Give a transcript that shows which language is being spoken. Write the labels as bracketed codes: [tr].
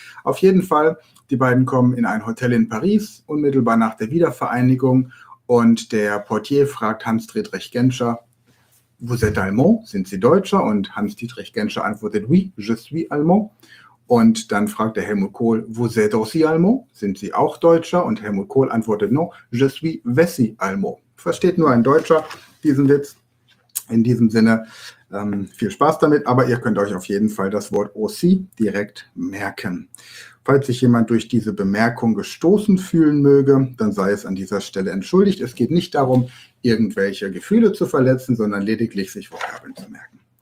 [de] Auf jeden Fall, die beiden kommen in ein Hotel in Paris, unmittelbar nach der Wiedervereinigung, und der Portier fragt Hans-Dietrich Genscher, [fr] vous êtes allemand, [de] sind Sie Deutscher? Und Hans-Dietrich Genscher antwortet, [fr] oui, je suis allemand. [de] Und dann fragt der Helmut Kohl, [fr] vous êtes aussi allemand, [de] sind Sie auch Deutscher? Und Helmut Kohl antwortet, [fr] non, je suis aussi allemand. [de] Versteht nur ein Deutscher diesen Witz. In diesem Sinne, viel Spaß damit, aber ihr könnt euch auf jeden Fall das Wort aussi direkt merken. Falls sich jemand durch diese Bemerkung gestoßen fühlen möge, dann sei es an dieser Stelle entschuldigt. Es geht nicht darum, irgendwelche Gefühle zu verletzen, sondern lediglich sich Vokabeln zu merken.